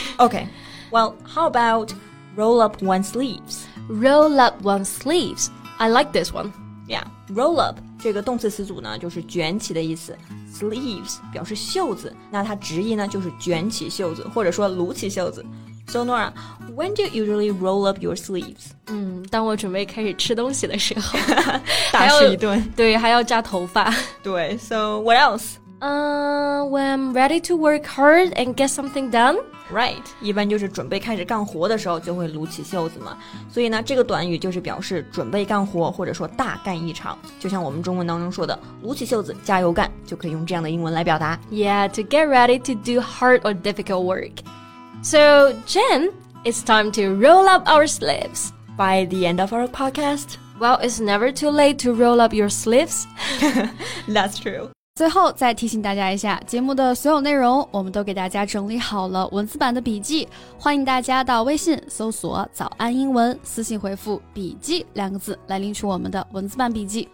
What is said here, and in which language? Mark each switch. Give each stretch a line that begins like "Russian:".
English: Okay. Well, how about roll up one's sleeves? Roll up one's sleeves. I like this one. Yeah.
Chinese: Roll up, 这个动词词组呢就是卷起的意思。Sleeves 表示袖子，那它直译呢就是卷起袖子，或者说撸起袖子。
English: So Nora, when do you usually roll up your sleeves?
Chinese: 当我准备开始吃东西的时候。大吃一顿。对，还要扎头发。对，
English: so what else? When I'm ready to work hard and get something done. Right,
Chinese: 一般就是准备开始干活的时候就会撸起袖子嘛。所以呢，这个短语就是表示准备干活或者说大干一场。就像我们中文当中说的，撸起袖子加油干，就可以用这样的英文来表达。
English: Yeah, to get ready to do hard or difficult work. So, Jen, it's time to roll up our sleeves. By the end of our podcast? Well, it's never too late to roll up your sleeves. That's true.
Chinese: 最后再提醒大家一下，节目的所有内容我们都给大家整理好了文字版的笔记，欢迎大家到微信搜索早安英文，私信回复笔记两个字来领取我们的文字版笔记。